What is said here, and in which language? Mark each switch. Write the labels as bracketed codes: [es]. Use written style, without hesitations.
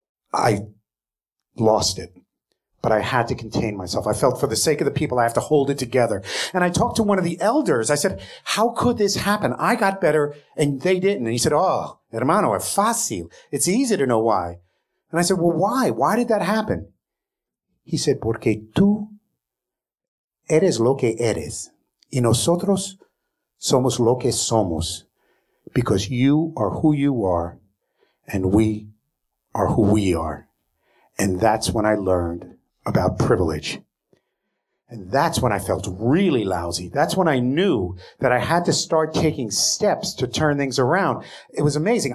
[en] I lost it. But I had to contain myself. I felt for the sake of the people, I have to hold it together. And I talked to one of the elders. I said, how could this happen? I got better and they didn't. And he said, [es] oh, hermano, es fácil. [en] It's easy to know why. And I said, well, why? Why did that happen? He said, [es] porque tú eres lo que eres. Y nosotros somos lo que somos. [en] Because you are who you are and we are who we are. And that's when I learned about privilege. And that's when I felt really lousy. That's when I knew that I had to start taking steps to turn things around. It was amazing.